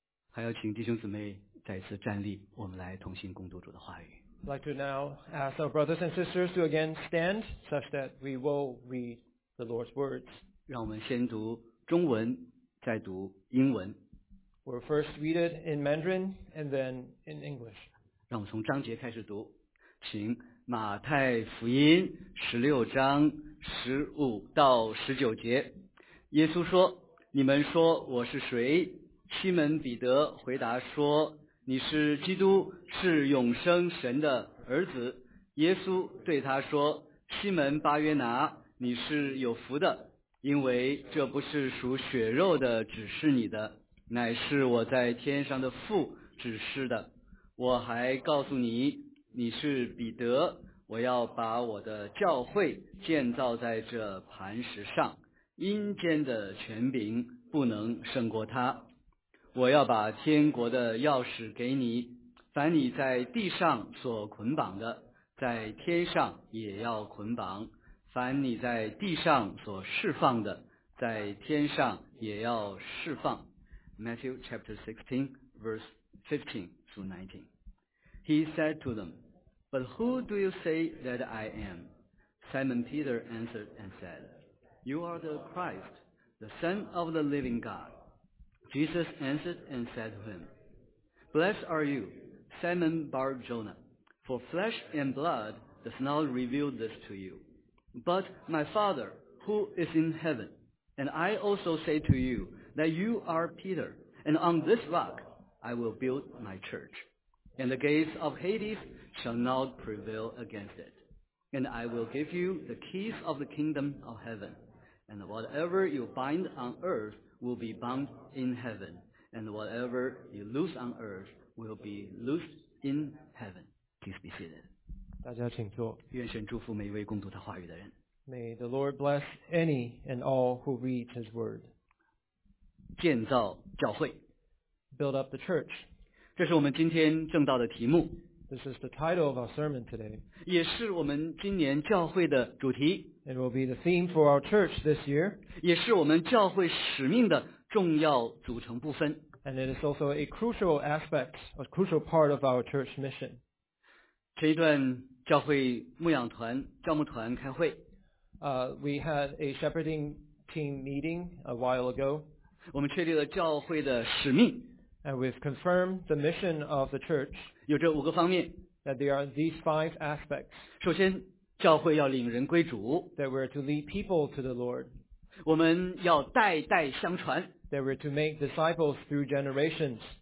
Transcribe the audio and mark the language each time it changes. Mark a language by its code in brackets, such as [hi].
[zh] 还要请弟兄姊妹再次站立，我们来同心共读主的话语。 [en] I'd like to now ask our brothers and sisters to again stand, such that we will read the Lord's words. [zh] 让我们先读中文，再读英文。 [en] We'll first read it in Mandarin and then in English. [zh] 让我们从章节开始读，请马太福音十六章十五到十九节。耶稣说：“你们说我是谁？” 西门彼得回答说：“你是基督，是永生神的儿子。” 耶稣对他说：“西门巴约拿，你是有福的，因为这不是属血肉的指示你的，乃是我在天上的父指示的。我还告诉你，你是彼得，我要把我的教会建造在这磐石上，阴间的权柄不能胜过他。” 我要把天国的钥匙给你，凡你在地上所捆绑的，在天上也要捆绑；凡你在地上所释放的，在天上也要释放。 [en] Matthew chapter 16, verse 15 through 19. He said to them, "But who do you say that I am?" Simon Peter answered and said, "You are the Christ, the Son of the living God." Jesus answered and said to him, "Blessed are you, Simon Bar-Jonah, for flesh and blood does not reveal this to you, but my Father who is in heaven. And I also say to you that you are Peter, and on this rock I will build my church, and the gates of Hades shall not prevail against it." And I will give you the keys of the kingdom of heaven. And whatever you bind on earth will be bound in heaven. And whatever you loose on earth will be loosed in heaven. Please be seated. [zh] 大家请坐。愿神祝福每一位共读他话语的人。 [en] May the Lord bless any and all who read his word. [zh] 建造教会。 [en] Build up the church. [zh] 这是我们今天正道的题目。 [en] This is the title of our sermon today. [zh] 也是我们今年教会的主题。 [en] It will be the theme for our church this year. [zh] 也是我们教会使命的重要组成部分。 [en] And it is also a crucial aspect, a crucial part of our church mission. [zh] 这一段教会牧养团、教牧团开会。 [en] We had a shepherding team meeting a while ago. [zh] 我们确立了教会的使命。 [en] And we've confirmed the mission of the church. [zh] 有这五个方面。 [en] That there are these five aspects. [zh] 首先，教会要领人归主。 [en] That we're to lead people to the Lord. [zh] 我们要代代相传。 [en] That we're to make disciples through generations.